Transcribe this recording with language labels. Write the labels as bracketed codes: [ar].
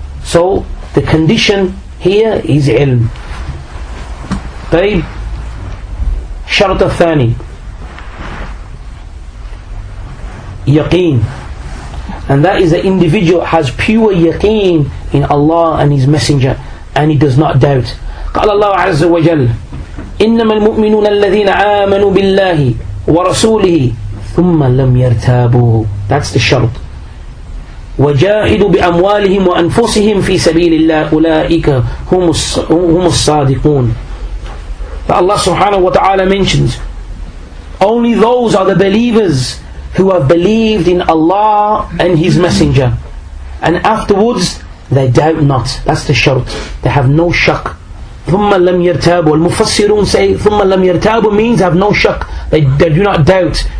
[en] So the condition here is ilm. [ar] طيب شرط الثاني يقين. [en] And that is the individual has pure yaqeen in Allah and His Messenger, and he does not doubt. [ar] قال الله عز وجل إنما المؤمنون الذين آمنوا بالله ورسوله ثم لم يرتابوا. [en] That's the shart. [ar] وجاهدوا بأموالهم وأنفسهم في سبيل الله أولئك هم الصادقون. [en] But Allah subhanahu wa ta'ala mentions, only those are the believers who have believed in Allah and His Messenger, and afterwards they doubt not. That's the shart. They have no shak. [ar] ثُمَّ لَمْ يَرْتَابُ. [en] Al-Mufassirun say [ar] ثُمَّ لَمْ يَرْتَابُ [en] means have no shak. They do not doubt.